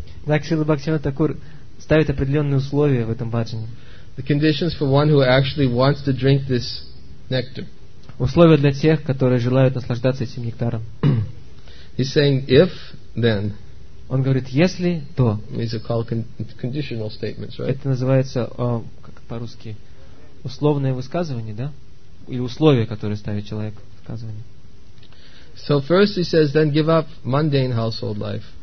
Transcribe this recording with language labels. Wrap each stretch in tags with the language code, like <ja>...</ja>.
<ru>Так Шрила Бхактивинода Такур ставит определенные условия в этом бхаджане.</ru> <en>The conditions for one who actually wants to drink this nectar.</en> <ru>Условия для тех, которые желают наслаждаться этим нектаром.</ru> <en>He's saying if then.</en> <ru>Он говорит если то.</ru> <en>These are called conditional statements, right?</en> <ru>Это называется как по-русски условное высказывание, да? Или условия, которые ставит человек высказывание.</ru> <en>So first he says, then give up mundane household life.</en>